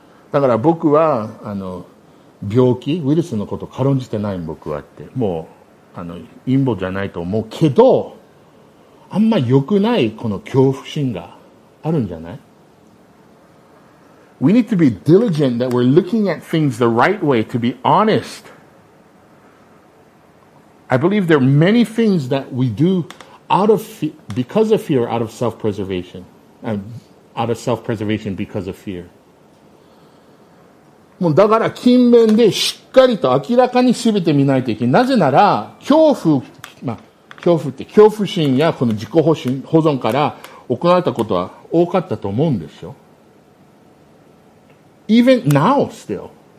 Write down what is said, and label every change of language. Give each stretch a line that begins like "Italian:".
Japanese: だから僕はあの病気ウイルスのこと軽んじてない僕はってもうあの陰謀じゃないと思うけど。あんま良くないこの恐怖心があるんじゃない?
English: We need to be diligent that we're looking at things the right way, to be honest. I believe there are many things that we do out of self-preservation because of fear.
Japanese: もうだから勤勉でしっかりと明らかに全て見ないといけない。なぜなら恐怖、まあ恐怖って恐怖心やこの自己保存から行われたことは多かったと思うんですよ。
English: Even now still.